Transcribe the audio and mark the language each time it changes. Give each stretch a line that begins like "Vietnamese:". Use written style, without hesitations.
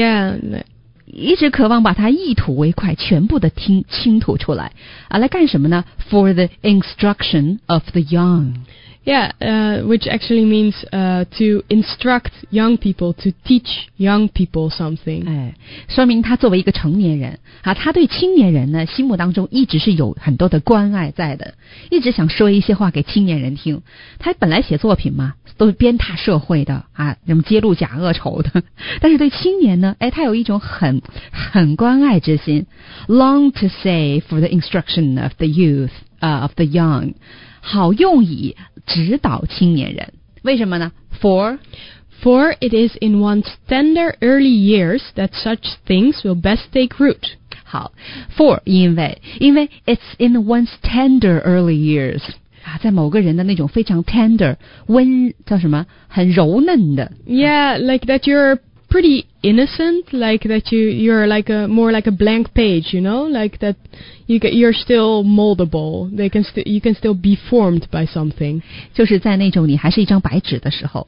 English: Yeah.
Chinese: 一直渴望把它一吐为快全部的倾吐出来啊来干什么呢
English: For the instruction of the young. Yeah, which actually means to instruct young people, to teach young people something.
Chinese: 哎，说明他作为一个成年人啊，他对青年人呢，心目当中一直是有很多的关爱在的，一直想说一些话给青年人听。他本来写作品嘛，都是鞭挞社会的啊，什么揭露假恶丑的。但是对青年呢，哎，他有一种很关爱之心 ，
English: long to say for the instruction of the youth, of the young.
Chinese: 好用以指导青年人为什么呢 For
English: it is in one's tender early years that such things will best take root
Chinese: 好 For 因为
English: it's in one's tender early years、
Chinese: 啊、在某个人的那种非常 tender 温叫什么很柔嫩的
English: Yeah like that you're pretty innocent like that you're like a more like a blank page you know like that you're still moldable you can still be formed by something
Chinese: 就是在那种你还是一张白纸的时候